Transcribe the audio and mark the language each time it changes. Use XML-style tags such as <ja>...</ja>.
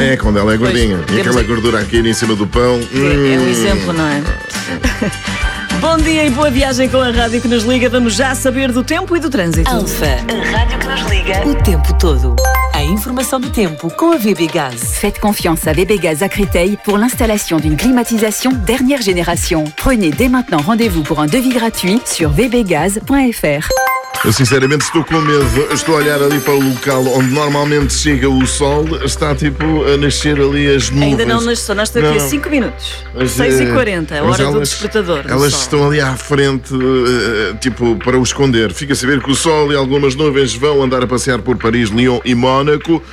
<pt>É, quando ela é gordinha. Pois, e aquela gordura aqui em cima do pão. É um exemplo, não é? Bom dia e boa viagem com a Rádio que nos liga. Vamos já saber do tempo e do trânsito. Alfa, a Rádio que nos liga o tempo todo. A informação do tempo com a VB Gaz.</pt> <fr>Faites confiance à VB Gaz à Créteil pour l'installation d'une climatisation dernière génération. Prenez dès maintenant rendez-vous pour un devis gratuit sur vbgaz.fr.</fr> <pt>Eu sinceramente estou com medo. Estou a olhar ali para o local onde normalmente chega o sol. Está tipo a nascer ali as nuvens. Ainda não nasceu, nós estamos aqui a 5 minutos. 6h40, a hora do despertador. Elas estão ali à frente, tipo, para o esconder. Fica a saber que o sol e algumas nuvens vão andar a passear por Paris, Lyon e Mónaco.</pt>